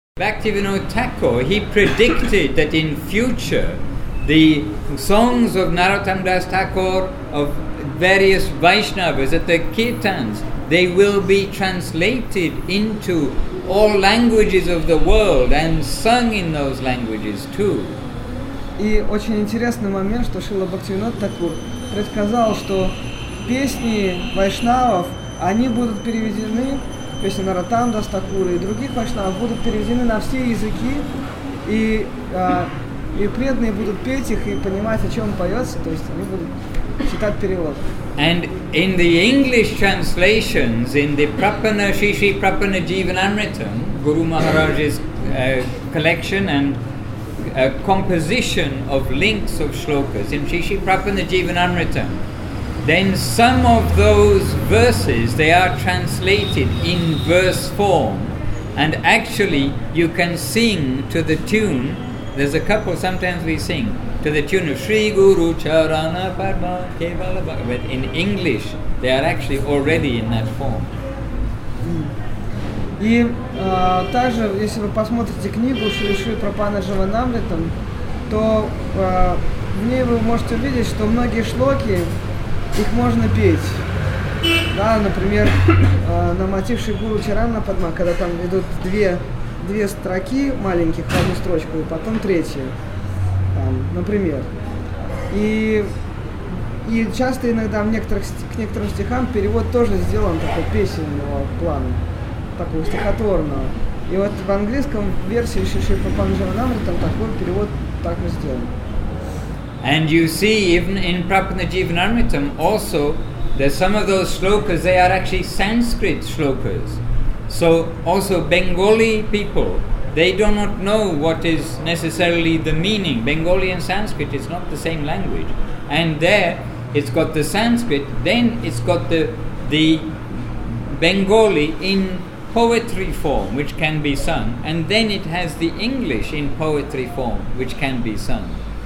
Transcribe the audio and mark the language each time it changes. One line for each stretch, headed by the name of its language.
English: Bhaktivinoda Thakur, he predicted that in future the songs of Narottam Das Thakur, of various Vaishnavas, at the kirtans, they will be translated into all languages of the world and sung in those languages too.
Russian: И очень интересный момент, что Шрила Бхактивинода Тхакур предсказал, что песни вайшнавов, они будут переведены, песни Нараттам Дас Такура и других вайшнавов будут переведены на все языки, и преданные будут петь их и понимать, о чем поется, то есть они будут читать перевод.
English: And in the English translations, in the Prapanna, Shri Shri Prapanna Jivanamritam, Guru Maharaj's collection and a composition of links of shlokas in Shri Shri Prabhupada Jivanamrita, then some of those verses, they are translated in verse form, and actually you can sing to the tune, there's a couple sometimes we sing to the tune of Shri Guru Charana Padma Kevala, but in English they are actually already in that form.
Russian: И также, если вы посмотрите книгу Шри Шри Прабхупады Дживанамрита, то в ней вы можете увидеть, что многие шлоки, их можно петь. Да, например, на мотив Шри Гуру Чарана Падма, когда там идут две строки маленьких в одну строчку, и потом третья, там, например. И часто иногда к некоторым стихам перевод тоже сделан такой песенного плана. Такого стихотворного. И вот в английском версии Шиши Прапанджаванамри там такой перевод так и сделан.
English: And you see, even in Prapanna Jivanamritam also, there's some of those shlokas, they are actually Sanskrit shlokas. So also Bengali people, they do not know what is necessarily the meaning. Bengali and Sanskrit is not the same language. And there it's got the Sanskrit, then it's got the Bengali in poetry form, which can be sung, and then it has the English in poetry form, which can be sung.